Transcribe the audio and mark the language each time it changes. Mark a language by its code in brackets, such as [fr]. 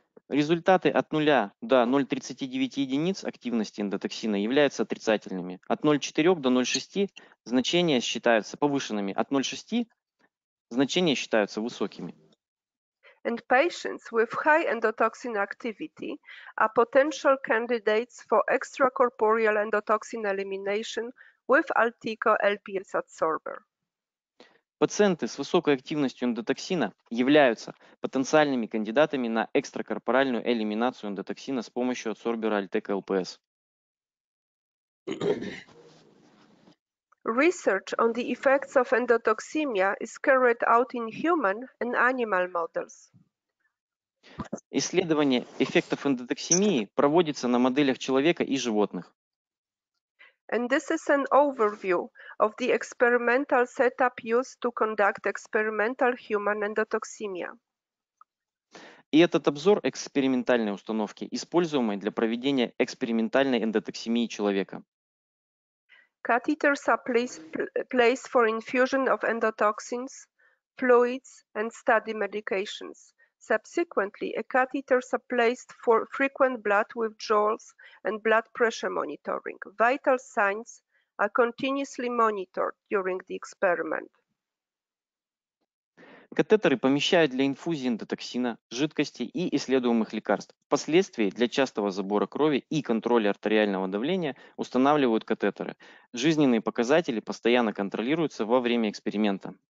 [ru] Результаты от 0 до 0,39 единиц активности эндотоксина являются отрицательными. От 0,4 до 0,6 значения считаются повышенными. От 0,6 значения считаются высокими. [en] And patients with high endotoxin activity are potential candidates for extracorporeal endotoxin elimination with Altico LPS adsorber. [ru] Пациенты с высокой активностью эндотоксина являются потенциальными кандидатами на экстракорпоральную элиминацию эндотоксина с помощью адсорбера Altecco LPS. [en] Research on the effects of endotoxemia is carried out in human and animal models. [ru] Исследование эффектов эндотоксемии проводится на моделях человека и животных. [en] And this is an overview of the experimental setup used to conduct experimental human endotoxemia. [ru] И этот обзор экспериментальной установки, используемой для проведения экспериментальной эндотоксемии человека. [en] Catheters are placed for infusion of endotoxins, fluids and study medications. Subsequently, catheters are placed for frequent blood withdrawals and blood pressure monitoring. Vital signs are continuously monitored during the experiment. [ru] Катетеры помещают для инфузии эндотоксина, жидкости и исследуемых лекарств. Впоследствии для частого забора крови и контроля артериального давления устанавливают катетеры. Жизненные показатели постоянно контролируются во время эксперимента.